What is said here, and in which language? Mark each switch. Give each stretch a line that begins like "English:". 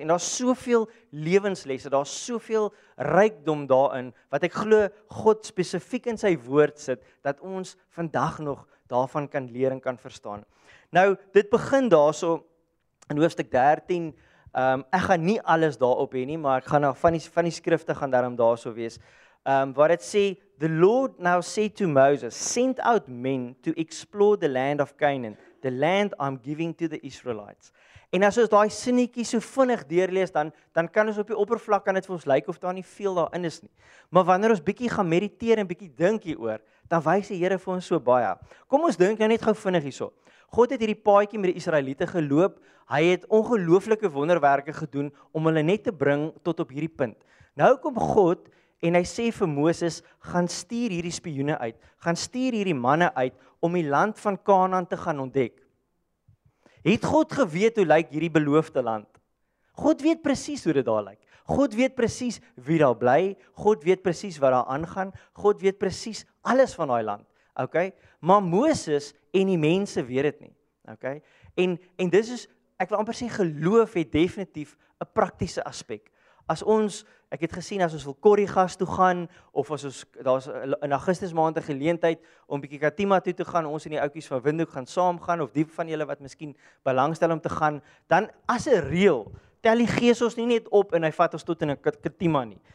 Afrikaans: En daar's soveel lewenslesse, daar's soveel rykdom daarin wat ek glo God spesifiek in sy woord sit dat ons vandag nog daarvan kan leer en kan verstaan. Nou, dit begin daarso in hoofstuk 13. Ek gaan nie alles daarop hê nie, maar ek gaan van die skrifte gaan daarom daarso wees. Wat dit sê,
English: the Lord now said to Moses, send out men to explore the land of Canaan, the land I'm giving to the Israelites.
Afrikaans: En as ons daai sinnetjie so vinnig deurlees, dan kan ons op die oppervlak kan dit vir ons lyk of daar nie veel daarin is nie. Maar wanneer ons bietjie gaan mediteer en bietjie dink hieroor, dan wys die Here vir ons so baie. Kom ons dink nou net gou vinnig hierso. God het hierdie paadjie met die Israeliete geloop. Hy het ongelooflike wonderwerke gedoen om hulle net te bring tot op hierdie punt. Nou kom God en hy sê vir Moses, gaan stuur hierdie spioene uit, gaan stuur hierdie manne uit om die land van Kanaan te gaan ontdek. Het God geweet hoe lyk hierdie beloofde land? God weet presies hoe dit daar lyk. God weet presies wie daar bly, God weet presies wat daar aangaan, God weet presies alles van daai land. Okay? Maar Moses en die mense weet dit nie. Okay? En dis is, ek wil amper sê geloof het definitief 'n praktiese aspek. As ons, ek het gesien as ons wil Korrigas toe gaan of as ons daar's in Augustus maand 'n geleentheid om bietjie Katima toe te gaan, ons en die ouetjies van Windhoek gaan saam gaan of die van julle wat miskien belangstel om te gaan, dan as 'n reël tel die Gees ons nie net op en hy vat ons tot in 'n Katima nie.